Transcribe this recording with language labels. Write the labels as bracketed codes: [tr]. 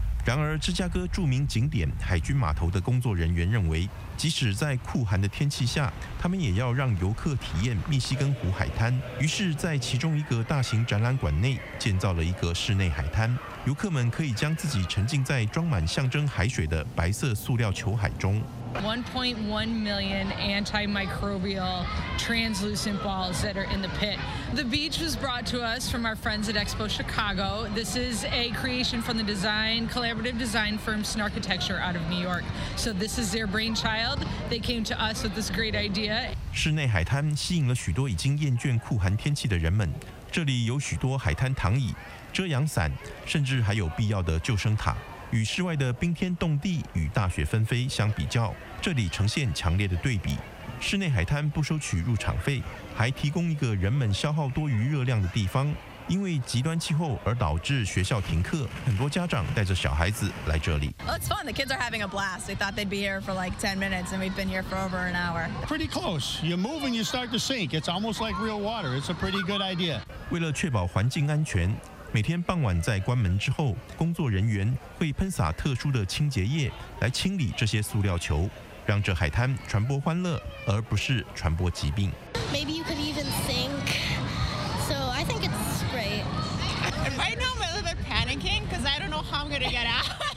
[zh] 然而芝加哥著名景点海军码头的工作人员认为，即使在酷寒的天气下，他们也要让游客体验密西根湖海滩，于是在其中一个大型展览馆内建造了一个室内海滩，游客们可以将自己沉浸在装满象征海水的白色塑料球海中。 [en] 1.1 million antimicrobial translucent balls that are in the pit. The beach was brought to us from our friends at Expo Chicago. This is a creation from the design collaborative design firm Snarkitecture out of New York. So this is their brainchild. They came to us with this great idea. [zh] 室内海滩吸引了许多已经厌倦酷寒天气的人们，这里有许多海滩躺椅、遮阳伞，甚至还有必要的救生塔。与室外的冰天冻地与大雪纷飞相比较，这里呈现强烈的对比。室内海滩不收取入场费，还提供一个人们消耗多余热量的地方。因为极端气候而导致学校停课，很多家长带着小孩子来这里。 [en] Well, it's fun. The kids are having a blast. We thought they'd be here for like 10 minutes, and we've been here for over an hour. Pretty close. You move and you start to sink. It's almost like real water. It's a pretty good idea. [zh] 为了确保环境安全，每天傍晚在关门之后，工作人员会喷洒特殊的清洁液来清理这些塑料球，让这海滩传播欢乐，而不是传播疾病。 [en] Maybe you could even sink. So I think it's great. And right now I'm a little bit panicking because I don't know how I'm gonna get out.